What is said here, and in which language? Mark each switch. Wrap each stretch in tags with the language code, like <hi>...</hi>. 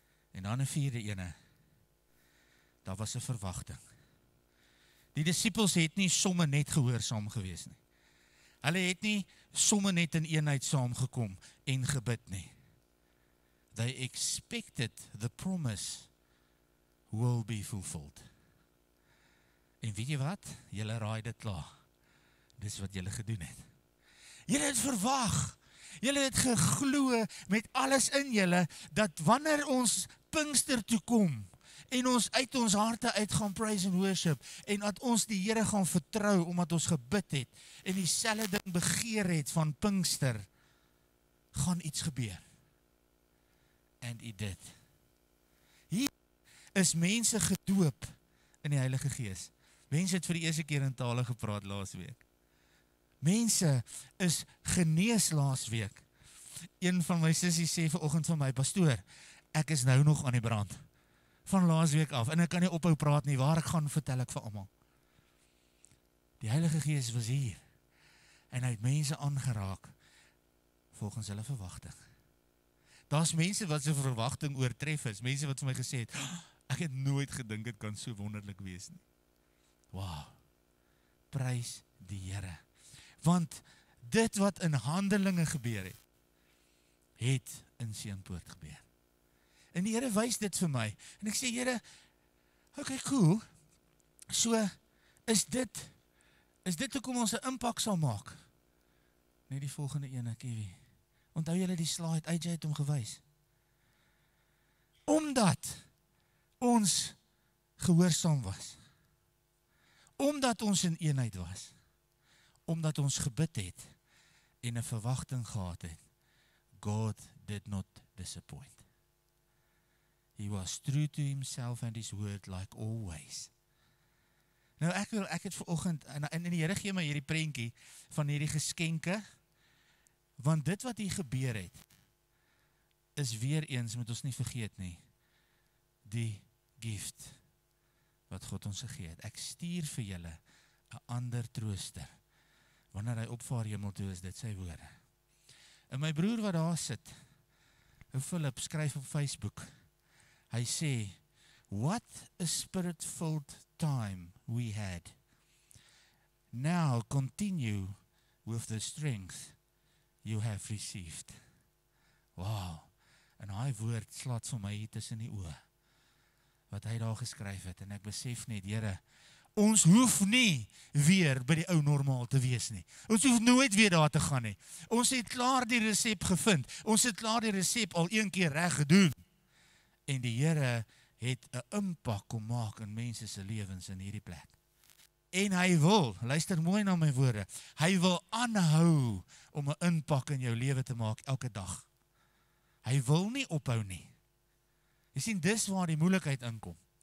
<af>En dan een vierde ene, daar was een verwagting. Die disciples het nie somme net gehoorsaam gewees nie. Hulle het nie somme net in eenheid saamgekom en gebid nie. They expected the promise will be fulfilled. En weet jy wat? Julle raai dit klaar. Dis wat julle gedoen het. Julle het verwag. Julle het geglo met alles in julle, dat wanneer ons Pinkster toe kom, en ons uit ons harte uit gaan praise and worship, en dat ons die Here gaan vertrou, omdat ons gebid het, en dieselfde ding begeer het van Pinkster, gaan iets gebeur. And it did. Hier is mense gedoop in die Heilige Gees. Mense het vir die eerste keer in tale gepraat laas week. Mense is genees laas week. Een van my sissies sê vanoggend van my, pastoor, ek is nou nog aan die brand. Van laas week af. En ek kan nie ophou praat nie, waar ek gaan vertel ek vir almal. Die Heilige Gees was hier. En hy het mense aangeraak, volgens hulle verwagting. Daar is mense wat sy verwagting oortref is. Mense wat vir my gesê het, ek het nooit gedink het kan so wonderlik wees nie. Wow. Prys die Here. Want dit wat in Handelinge gebeur het, het in Seënpoort gebeur. En die Here wys dit vir my. En ek sê, Here, okay, cool. So, is dit hoekom ons 'n impak sal maak? Net die volgende ene, Kiwi. Onthou jy die slide, AJ het hom gewys. Omdat ons gehoorsaam was. Omdat ons in eenheid was. Omdat ons gebid het en 'n verwagting gehad het.</af> <en>God did not disappoint. He was true to himself and his word like always.</en> <af>Nou ek het vanoggend en die Here gee my hierdie prentjie van hierdie geskenke want dit wat hier gebeur het is weer eens moet ons nie vergeet nie die gift wat God ons gegee het. Ek stuur vir julle 'n ander trooster. Wanneer hy opvaar hemel toe is dit sy woorde. En my broer wat daar sit, Philip skryf op Facebook.</af> <en>Hy sê, what a spirit-filled time we had. Now continue with the strength you have received.</en> <af>Wow, en hy woord slaat vir my hier tussen die oë, wat hy daar geskryf het, en ek besef net, Here, ons hoef nie weer by die ou normaal te wees nie. Ons hoef nooit weer daar te gaan nie. Ons het klaar die resep gevind. Ons het klaar die resep al een keer reg gedoen. En die Here het 'n impak kom maak in mense se lewens in hierdie plek. En hy wil, luister mooi na my woorde, hy wil aanhou om 'n impak in jou lewe te maak elke dag. Hy wil nie ophou nie. Jy sien, dis waar die moeilikheid inkom.</af>